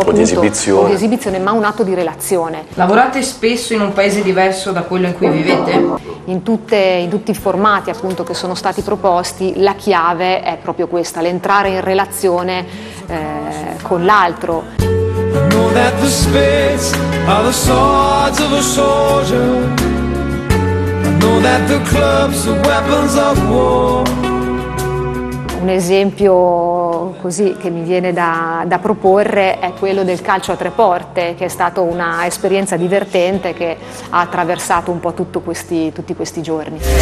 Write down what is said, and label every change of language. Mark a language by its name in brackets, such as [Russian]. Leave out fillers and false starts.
[Italian] o di esibizione, ma un atto di relazione. Lavorate spesso in un paese diverso da quello in cui vivete? In tutti i formati appunto che sono stati proposti, la chiave è proprio questa, l'entrare in relazione con l'altro. [English] I know that the spades are the swords of a soldier. I know that the clubs are weapons of war. [Italian] Un esempio così che mi viene da proporre è quello del calcio a tre porte, che è stata una esperienza divertente che ha attraversato un po' tutti questi giorni.